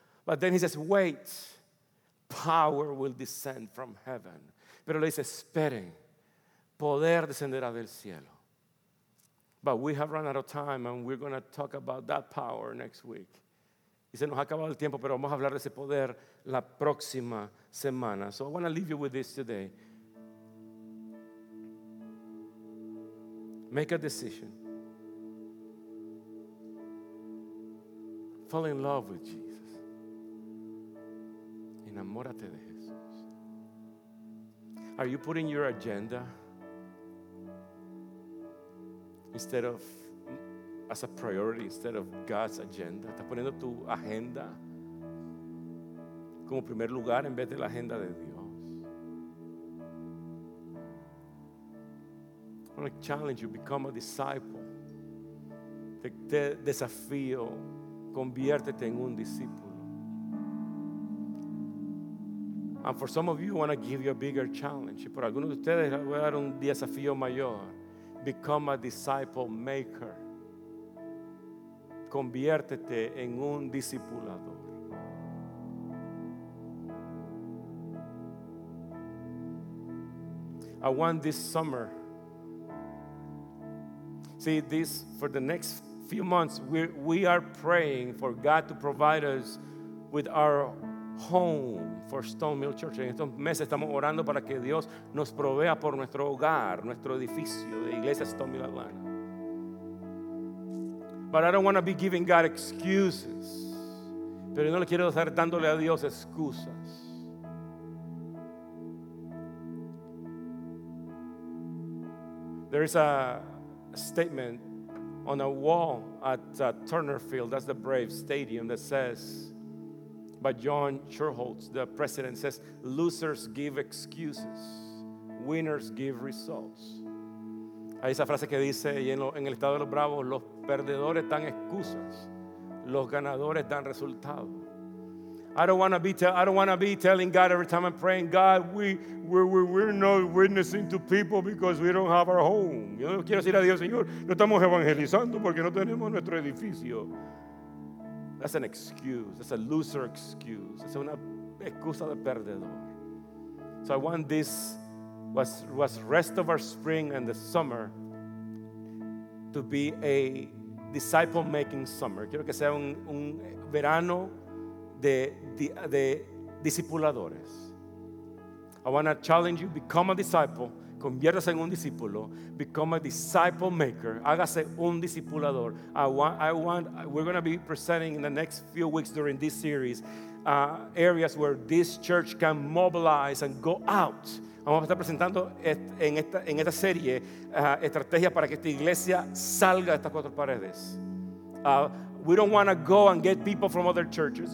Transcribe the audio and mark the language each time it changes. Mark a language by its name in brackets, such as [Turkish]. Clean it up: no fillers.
[English] But then he says, wait, power will descend from heaven. [Spanish] Pero le dice, esperen, poder descenderá del cielo. [English] But we have run out of time and we're going to talk about that power next week. [Spanish] Y se nos ha acabado el tiempo, pero vamos a hablar de ese poder la próxima semana. [English] So I want to leave you with this today. Make a decision. Fall in love with Jesus. [Spanish] Enamórate de Jesús. [English] Are you putting your agenda instead of as a priority, instead of God's agenda? [Spanish] ¿Estás poniendo tu agenda como primer lugar en vez de la agenda de Dios? [English] I want to challenge you, become a disciple. [Spanish] Te desafío, conviértete en un discípulo. [English] And for some of you, I want to give you a bigger challenge. [Spanish] Por algunos de ustedes voy a dar un desafío mayor. [English] Become a disciple maker. [Spanish] Conviértete en un discipulador. [English] I want this summer See, this for the next few months, we are praying for God to provide us with our home for Stone Mill Church. [Spanish] En estos meses estamos orando para que Dios nos provea por nuestro hogar, nuestro edificio de iglesia Stone Mill Atlanta. [English] But I don't want to be giving God excuses. [Spanish] Pero no le quiero estar dándole a Dios excusas. [English] There is a statement on a wall at Turner Field, that's the Braves Stadium, that says, by John Schuerholz, the president, says, losers give excuses, winners give results. [Spanish] Hay esa frase que dice, en el estado de los bravos, los perdedores dan excusas, los ganadores dan resultados. [English] I don't want to be telling God every time I'm praying, God, we're not witnessing to people because we don't have our home. [Spanish] Yo no quiero decir a Dios, Señor, no estamos evangelizando porque no tenemos nuestro edificio. [English] That's an excuse. That's a loser excuse. [Spanish] Es una excusa de perdedor. [English] So I want this was rest of our spring and the summer to be a disciple making summer. [Spanish] Quiero que sea un verano de discipuladores. [English] I want to challenge you, become a disciple, [Spanish] conviértase en un discípulo, [English] become a disciple maker, [Spanish] hágase un discipulador. [English] We're going to be presenting in the next few weeks during this series areas where this church can mobilize and go out. [Spanish] Vamos a estar presentando en esta serie estrategias para que esta iglesia salga de estas cuatro paredes. [English] We don't want to go and get people from other churches.